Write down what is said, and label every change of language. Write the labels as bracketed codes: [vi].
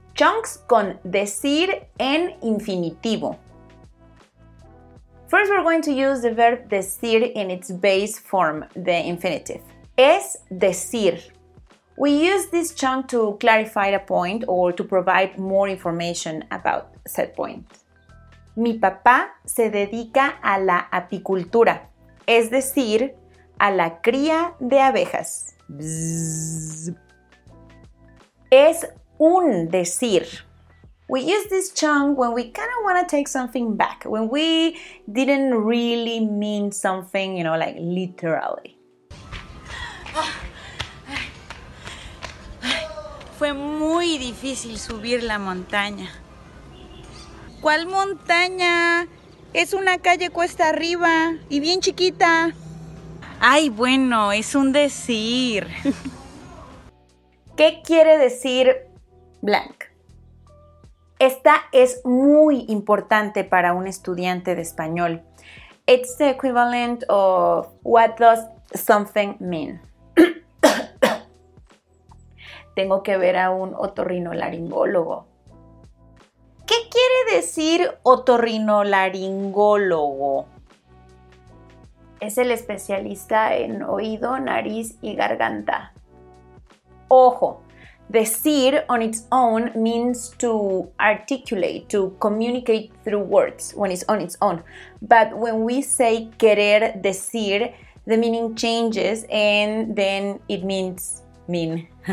[es] Chunks con decir en infinitivo. [en] First, we're going to use the verb decir in its base form, the infinitive. Es decir. We use this chunk to clarify a point or to provide more information about said point. [es] Mi papá se dedica a la apicultura, es decir, a la cría de abejas. Bzzz. Es un decir. [en] We use this chunk when we kind of want to take something back, when we didn't really mean something, you know, like literally. [es] Fue muy difícil subir la montaña. ¿Cuál montaña? Es una calle cuesta arriba y bien chiquita. Ay, bueno, es un decir. ¿Qué quiere decir blank? Esta es muy importante para un estudiante de español. [en] It's the equivalent of what does something mean? [es] Tengo que ver a un otorrinolaringólogo. ¿Qué quiere decir otorrinolaringólogo? Es el especialista en oído, nariz y garganta. [en] Ojo, decir on its own means to articulate, to communicate through words when it's on its own. But when we say querer decir, the meaning changes and then it means... mean.